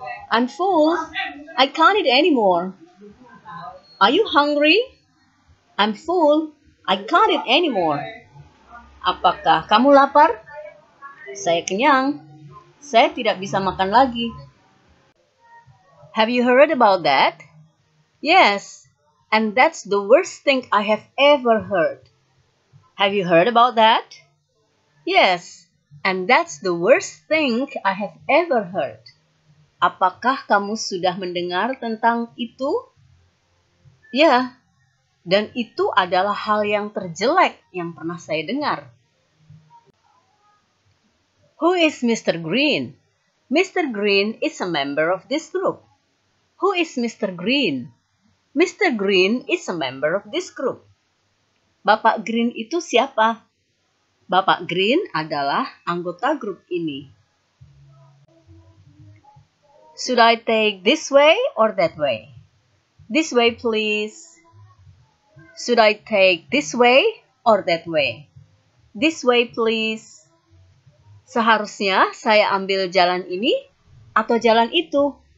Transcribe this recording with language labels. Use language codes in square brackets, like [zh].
[en] I'm full. I can't eat anymore. Are you hungry? I'm full. I can't eat anymore. [id] Apakah kamu lapar? Saya kenyang. Saya tidak bisa makan lagi. [en] Have you heard about that? Yes, and that's the worst thing I have ever heard. Have you heard about that? Yes, and that's the worst thing I have ever heard. [id] Apakah kamu sudah mendengar tentang itu? Ya, dan itu adalah hal yang terjelek yang pernah saya dengar. [en] Who is Mr. Green? Mr. Green is a member of this group. Who is Mr. Green? Mr. Green is a member of this group. [id] Bapak Green itu siapa? Bapak Green adalah anggota grup ini. [en] Should I take this way or that way? This way, please. Should I take this way or that way? This way, please. [id] Seharusnya saya ambil jalan ini atau jalan itu?